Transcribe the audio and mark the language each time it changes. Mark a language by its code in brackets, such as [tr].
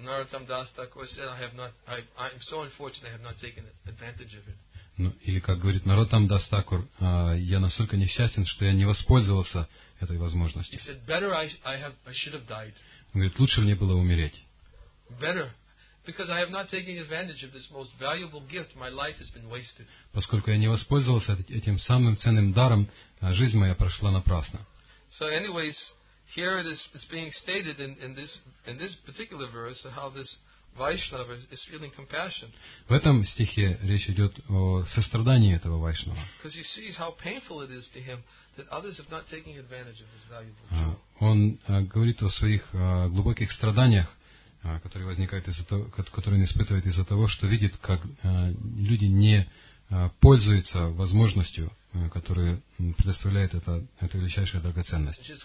[en] Narottam Das Thakur said, I am so unfortunate, I have not taken advantage of it. [ru] Ну, или как говорит Narottam Das Thakur, я настолько несчастен, что я не воспользовался этой возможностью. [en] He said, better I should have died. [ru] Он говорит, лучше мне было умереть. [en] Better. Because I have not taken advantage of this most valuable gift, my life has been wasted. [ru] Поскольку я не воспользовался этим самым ценным даром, жизнь моя прошла напрасно. [en] So anyways, here it is being stated in this particular verse how this Vaishnava is feeling compassion. [ru] В этом стихе речь идет о сострадании этого Вайшнава. [en] Because he sees how painful it is to him that others have not taken advantage of this valuable gift. [ru] Он говорит о своих глубоких страданиях, который возникает который он испытывает из-за того, что видит, как люди не пользуются возможностью, которую предоставляет эта величайшая драгоценность.